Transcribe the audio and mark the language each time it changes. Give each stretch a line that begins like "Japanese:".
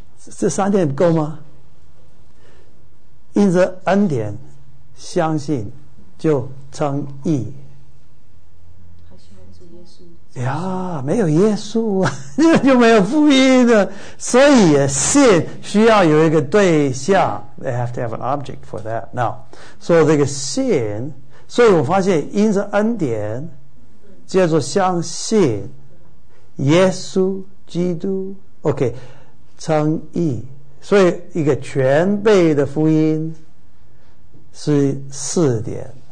Chinese: 这三点够吗？因着恩典相信就称义。呀，没有耶稣啊，就没有福音的。所以信需要有一个对象
English: ，they have to have an object for that.
Chinese: Now， 所以这个信，所以我发现因着恩典，叫做相信耶稣基督 ，OK， 称义。所以一个全备的福音是四点。